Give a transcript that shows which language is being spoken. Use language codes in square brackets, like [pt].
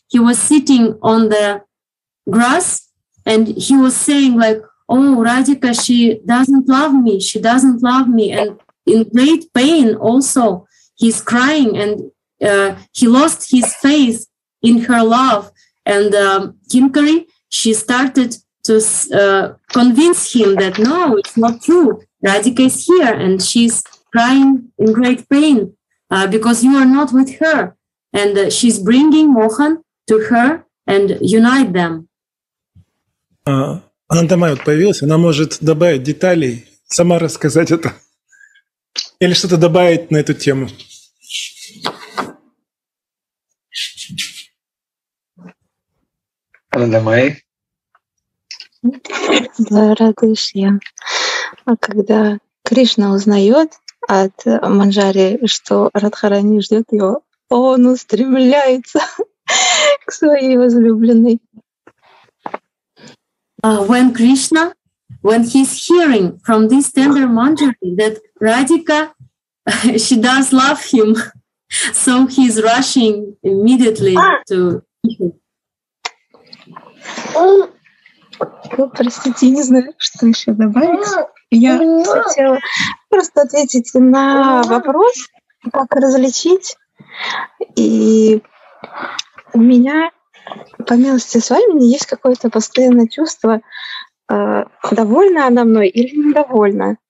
[en] He was sitting on the grass and he was saying like, "Oh, Radhika, she doesn't love me, she doesn't love me," and in great pain also he's crying, and he lost his faith in her love, and Kinkari, she started to convince him that no, it's not true. Radhika is here, and she's crying in great pain because you are not with her, and she's bringing Mohan to her and unite them. [ru] Ананда Май вот появилась, она может добавить деталей, сама рассказать это или что-то добавить на эту тему. Да, Радыш, я. А когда Кришна узнает от Манджари, что Радхарани ждет ее он устремляется к своей возлюбленной. [en] When Krishna, when he's hearing from this tender Manjari that Radhika, she does love him, so he's rushing immediately to... [ru] Ну, простите, не знаю, что еще добавить. Я хотела просто ответить на вопрос, как различить. И у меня, по милости с вами, есть какое-то постоянное чувство, довольна она мной или недовольна.